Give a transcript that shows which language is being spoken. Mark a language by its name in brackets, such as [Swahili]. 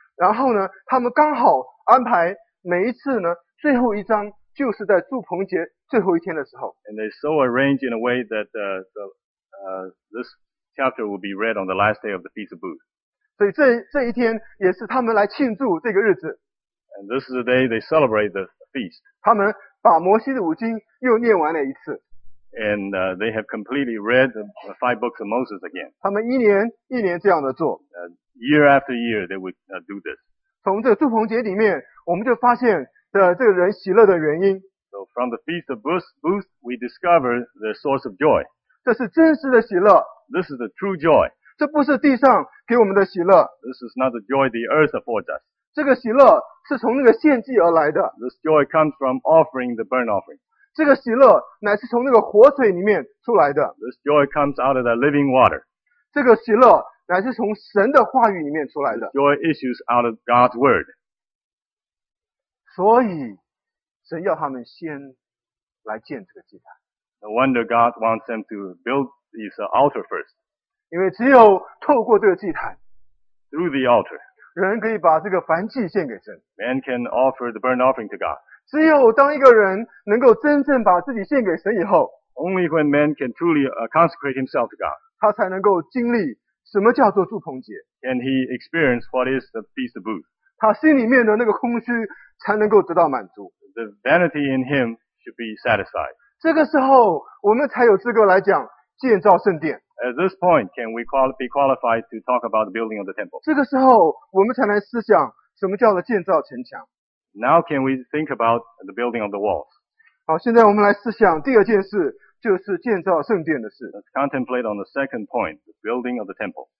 [Chinese] 然后呢，他们刚好安排每一次呢最后一章。就是在祝棚节最后一天的时候。 [English] And they so arrange in a way that this chapter will be read on the last day of the Feast of Booths. [Chinese] 所以这一天也是他们来庆祝这个日子。 [English] And this is the day they celebrate the feast. [Chinese] 他们把摩西的五经又念完了一次。 [English] And they have completely read the five books of Moses again. [Chinese] 他们一年一年这样的做。 [English] Year after year they would do this. [Chinese] 从这祝棚节里面我们就发现这个人喜乐的原因。 [English] So from the Feast of Booths, we discover the source of joy. [Chinese] 这是真实的喜乐。 [English] This is the true joy. [Chinese] 这不是地上给我们的喜乐。 [English] This is not the joy the earth affords us. [Chinese] 这个喜乐是从那个献祭而来的。 [English] This joy comes from offering the burnt offering. [Chinese] 这个喜乐乃是从那个活水里面出来的。 [English] This joy comes out of the living water. [Chinese] 这个喜乐乃是从神的话语里面出来的。 [English] This joy issues out of God's word. [Chinese] 所以神要他们先来建这个祭坛。 [English] No wonder God wants them to build this altar first. [Chinese] 因为只有透过这个祭坛 [English] ,through the altar, [Chinese] 人可以把这个燔祭献给神。 [English] Man can offer the burnt offering to God. [Chinese] 只有当一个人能够真正把自己献给神以后 [English] ,only when man can truly consecrate himself to God, [Chinese] 他才能够经历什么叫做祝棚节。 [English] Can he experience what is the Feast of Booths? [Chinese] 他心里面的那个空虚才能够得到满足。 [English] The vanity in him should be satisfied. [Chinese] 这个时候我们才有资格来讲建造圣殿。 [English] At this point, can we be qualified to talk about the building of the temple? [Chinese] 这个时候我们才能思想什么叫做建造城墙。 [English] Now can we think about the building of the walls? [Chinese] 好，现在我们来思想第二件事，就是建造圣殿的事。 [English] Let's contemplate on the second point, the building of the temple.